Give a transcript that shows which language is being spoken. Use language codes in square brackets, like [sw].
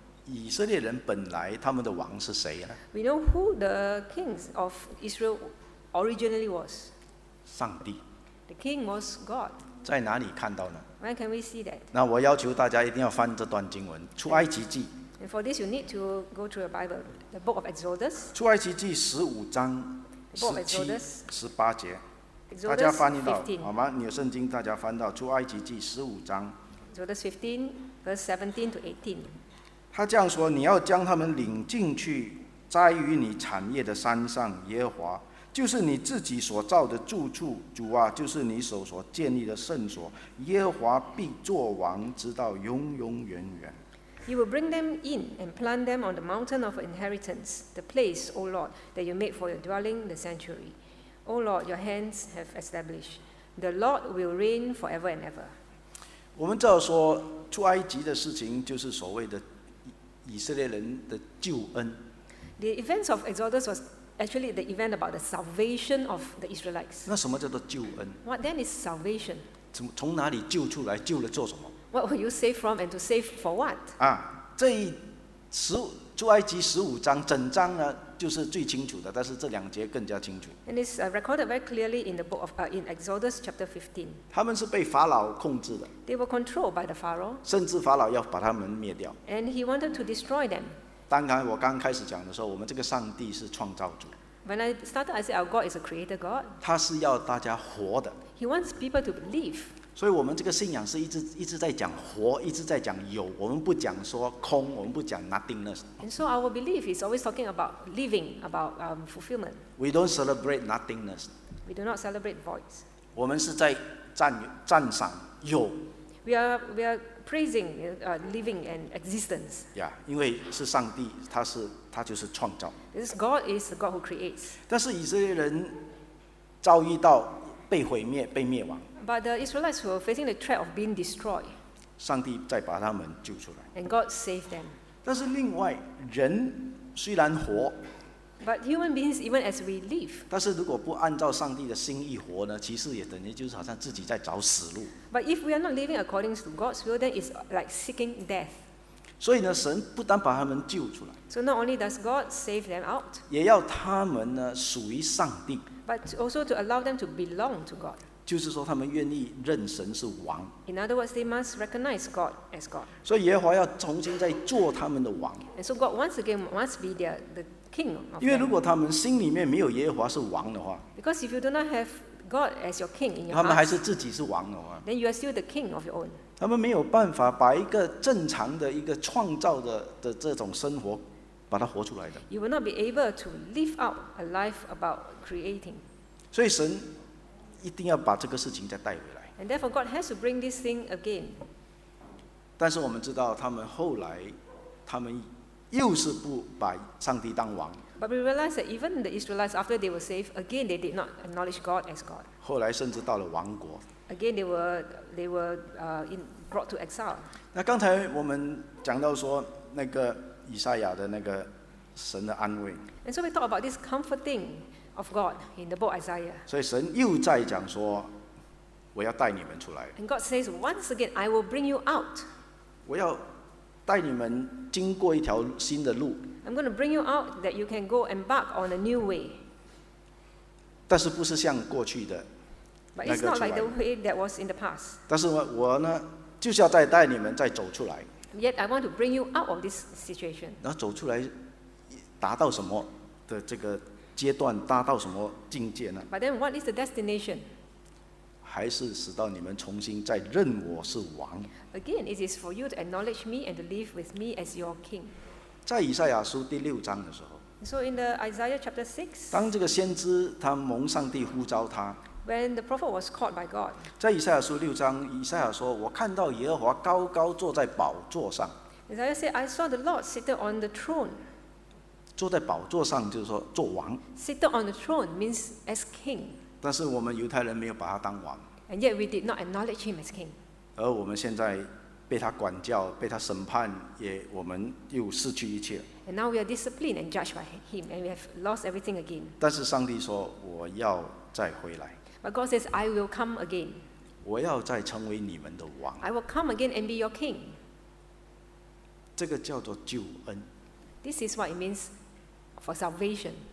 [zh] 以色列人本来他们的王是谁呢 [en] ？We know who the kings of Israel originally was. [zh] 上帝。 [en] The king was God. [zh] 在哪里看到呢 [en] ？When can we see that? [zh] 那我要求大家一定要翻这段经文，出埃及记。 [en] And for this, you need to go to the Bible, the book of Exodus. [zh] 出埃及记十五章十七、十八节，大家翻一道好吗？你的圣经，大家翻到出埃及记十五章。 [en] Exodus 15, verse 17 to 18. [zh] 他这样说：你要将他们领进去，栽于你产业的山上，耶和华就是你自己所造的住处，主啊，就是你手所建立的圣所，耶和华必作王，直到永永远远。 [en] You will bring them in and plant them on the mountain of inheritance, the place, O Lord, that you made for your dwelling, the sanctuary. O Lord, your hands have established. The Lord will reign forever and ever. [zh] 我们知道说出埃及的事情就是所谓的以色列人的救恩。 [en] The events of Exodus was actually the event about the salvation of the Israelites. [zh] 那什么叫做救恩 [en] ？What then is salvation? [zh] 从哪里救出来？救了做什么？ [en] What were you saved from, and to save for what? [zh] 啊，这一十出埃及十五章整章呢，就是最清楚的，但是这两节更加清楚。 [en] And it's recorded very clearly in the book of in Exodus chapter 15. [zh] 他们是被法老控制的。 [en] They were controlled by the Pharaoh. [zh] 甚至法老要把他们灭掉。 [en] And he wanted to destroy them. [zh] 当然，我刚开始讲的时候，我们这个上帝是创造主。 [en] When I started, I said our God is a creator God. [zh] 他是要大家活的。 [en] He wants people to live. [zh] 所以我们这个信仰是一直在讲活，一直在讲有，我们不讲说空，我们不讲 nothingness。 [en] And so our belief is always talking about living, about fulfillment. We don't celebrate nothingness. We do not celebrate voids. [zh] 我们是在赞赏有。 [en] We are praising living and existence. [zh] Yeah, 因为是上帝，他就是创造。 [en] Because God is the God who creates. [zh] 但是以色列人遭遇到被毁灭、被灭亡。 [en] But the Israelites were facing the threat of being destroyed. [zh] 上帝再把他们救出来。 [en] And God saved them. [zh] 但是另外，人虽然活。 [en] But human beings, even as we live, [zh] 但是如果不按照上帝的心意活呢，其实也等于就是好像自己在找死路。 [en] But if we are not living according to God's will, then it's like seeking death. [zh] 所以呢，神不但把他们救出来。 [en] So not only does God save them out, [zh] 也要他们呢属于上帝。 [en] But also to allow them to belong to God. [zh] 就是说，他们愿意认神是王。 [en] In other words, they must recognize God as God. [zh] 所以耶和华要重新再做他们的王。 [en] And so God once again must be the King of them. [zh] 因为如果他们心里面没有耶和华是王的话， [en] because if you do not have God as your king in your heart, [zh] 他们还是自己是王的话， [en] then you are still the king of your own. [zh] 他们没有办法把一个正常的一个创造的这种生活把它活出来的。 [en] You will not be able to live out a life about creating. [zh] 所以神一定要把这个事情再带回来。 [en] And therefore God has to bring this thing again. [zh] 但是我们知道他们后来他们又是不把上帝当王。 [en] But we realize that even the Israelites, after they were saved, again they did not acknowledge God as God. [zh] 后来甚至到了亡国。 [en] Again they were in brought to exile. [zh] 那刚才我们讲到说那个以赛亚的那个神的安慰。 [en] And so we talk about this comforting of God in the book of Isaiah. [zh] 所以神又在讲说，我要带你们出来。 [en] And God says once again, I will bring you out. [zh] 我要带你们经过一条新的路。 [en] I'm going to bring you out that you can go embark on a new way. [zh] 但是不是像过去的那个出来。 [en] But it's not like the way that was in the past. [zh] 但是我呢，就是要再带你们再走出来。 [en] Yet I want to bring you out of this situation. [zh] 然后走出来，达到什么的这个阶段，达到什么境界呢？ [en] But then what is the destination? [zh] 还是使到你们重新再认我是王。 [en] Again, it is for you to acknowledge me and to live with me as your king. [zh] 在以赛亚书第六章的时候。 [en] So in the Isaiah chapter 6. [zh] 当这个先知他蒙上帝呼召他。 [en] When the prophet was called by God. [zh] 在以赛亚书六章，以赛亚说：“我看到耶和华高高坐在宝座上。” [en] Isaiah said, "I saw the Lord seated on the throne." [zh] 坐在宝座上就是说做王。 [en] Seated on the throne means as king. [zh] 但是我们犹太人没有把他当王。 [en] And yet we did not acknowledge him as king. [zh] 而我们现在被他管教，被他审判，也我们又失去一切。 [en] And now we are disciplined and judged by him, and we have lost everything again. [zh] 但是上帝说，我要再回来。 [en] But God says, I will come again. [zh] 我要再成为你们的王。 [en] I will come again and be your king. [zh] 这个叫做救恩。 [en] This is what it means for salvation.